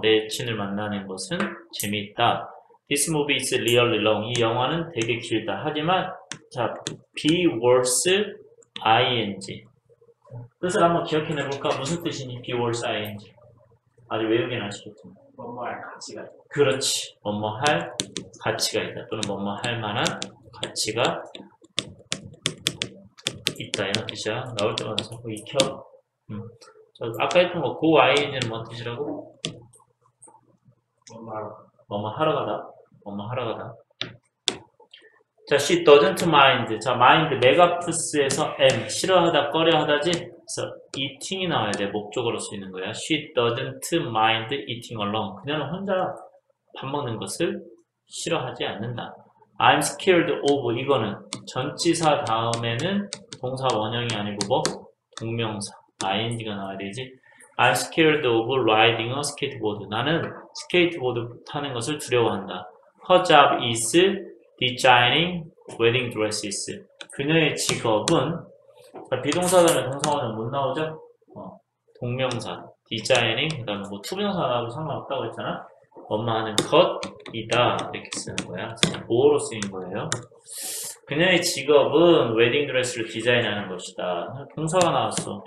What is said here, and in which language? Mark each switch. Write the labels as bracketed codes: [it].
[ko] 내 여친을 만나는 것은 재미있다. [en] This movie is really long. [ko] 이 영화는 되게 길다. 하지만, 자, be worth ing. 뜻을 한번 기억해내볼까? 무슨 뜻이니? be worth ing. 아주 외우긴 아시겠지만. 뭐뭐할 가치가 그렇지 뭐뭐할 가치가 있다. 또는 뭐뭐 할 만한 가치가 있다. 이런 뜻이야. 나올 때마다 자꾸 익혀. 아까 했던 거, go ING는 뭔 뜻이라고? 뭐뭐 하러 가다. 뭐뭐 하러 가다. 자, [en] she doesn't mind. [ko] 자, mind, 메가프스에서 m. 싫어하다, 꺼려하다지? 그래서 eating이 나와야 돼. 목적으로 쓰이는 거야. [en] She doesn't mind eating alone. [ko] 그녀는 혼자 밥 먹는 것을 싫어하지 않는다. [en] I'm scared of. [ko] 이거는 전치사 다음에는 동사 원형이 아니고 뭐? 동명사. ing가 나와야 되지. [en] I'm scared of riding a skateboard. [ko] 나는 스케이트보드 타는 것을 두려워한다. [en] Her job is designing wedding dresses. [ko] 그녀의 직업은, 비동사다면 동사원은 못 나오죠? 동명사, designing, 그 다음에 뭐, 투명사라고 상관없다고 했잖아? 엄마는 것이다. 이렇게 쓰는 거야. 뭐로 쓰인 거예요? 그녀의 직업은 웨딩 드레스를 디자인하는 것이다. 동사가 나왔어.